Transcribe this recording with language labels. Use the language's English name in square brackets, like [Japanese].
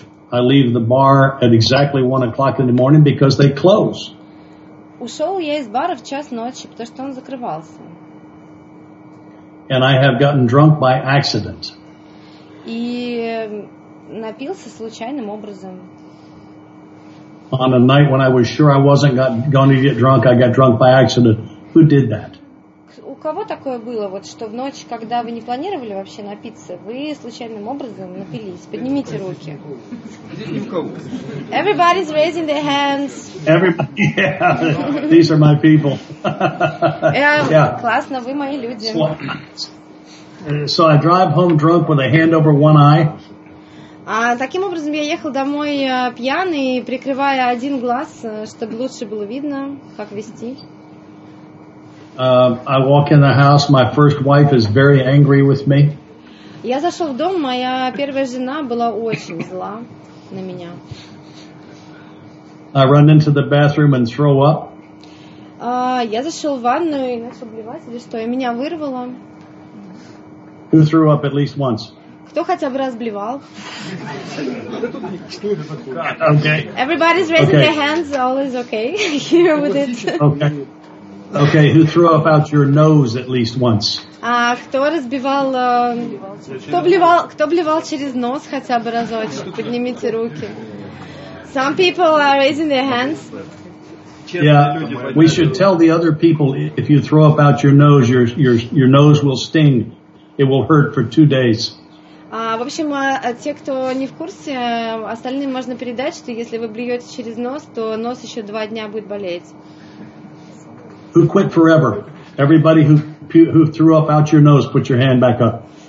[English] I leave the bar at exactly 1 o'clock in the morning because they close. [Russian] Ушел я из бара в час ночи, потому что он закрывался. [English] And I have gotten drunk by accident. [Russian] И напился случайным образом. [English] On a night when I was sure I wasn't going to get drunk, I got drunk by accident. Who did that? [Russian] У кого такое было, вот что в ночь, когда вы не планировали вообще напиться, вы случайным образом напились? Поднимите руки. [English] Everybody's raising their hands. Everybody. Yeah. These are my people. [Russian] Yeah. Классно, вы мои люди. [English] So I drive home drunk with a hand over one eye. [Russian] Таким образом я ехал домой пьяный, прикрывая один глаз, чтобы лучше было видно, как вести. [English] I walk in the house, my first wife is very angry with me. [Russian] Я зашел в дом, моя первая жена была очень зла на меня. [English] I run into the bathroom and throw up. [Russian] Я зашел в ванную и начал блевать, или что, и меня вырвало. [English] Who threw up at least once? [Russian] Кто хотя бы раз блевал? [English] Okay. Everybody's raising okay. their hands, all is okay here with it. Okay, who threw up out your nose at least once? [Russian] Кто разбивал, кто блевал через нос хотя бы разочек? Поднимите руки. [English] Some people are raising their hands. Yeah, we should tell the other people if you throw up out your nose, your nose will sting. It will hurt for 2 days. [Russian] В общем, те, кто не в курсе, остальным можно передать, что если вы блюете через нос, то нос еще 2 дня будет болеть. [English] Who quit forever? Everybody who threw up out your nose, put your hand back up.